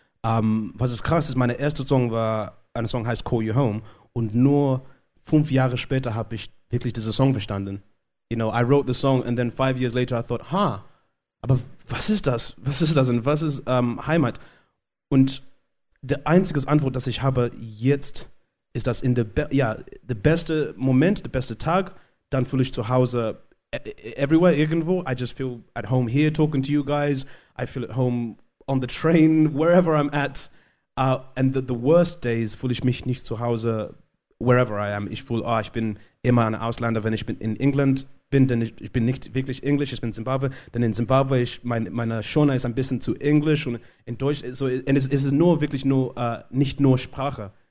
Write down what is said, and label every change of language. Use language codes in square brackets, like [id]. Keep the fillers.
[de] Ähm, was ist krass ist, meine erste Song war, ein Song heißt Call You Home. Und nur fünf Jahre später habe ich wirklich diesen Song verstanden. [en] You know, I wrote the song and then five years later I thought, huh, [de] aber was ist das? Was ist das und was ist ähm, Heimat? Und die einzige Antwort, das ich habe jetzt, ist, dass in der be ja, der beste Moment, der beste Tag, dann fühle ich zu Hause e- e- everywhere, irgendwo. [en] I just feel at home here talking to you guys. I feel at home on the train, wherever I'm at. Uh, and the, the worst days [de] fühle ich mich nicht zu Hause, [en] wherever I am. [de] Ich fühle, ah, ich bin immer ein Ausländer, wenn ich bin in England bin, denn ich, ich bin nicht wirklich Englisch, ich bin Zimbabwe, denn in Zimbabwe, ich, mein, meine Shona ist ein bisschen zu Englisch und in Deutsch, so, und es, es ist nur wirklich nur, äh, nicht nur Sprache.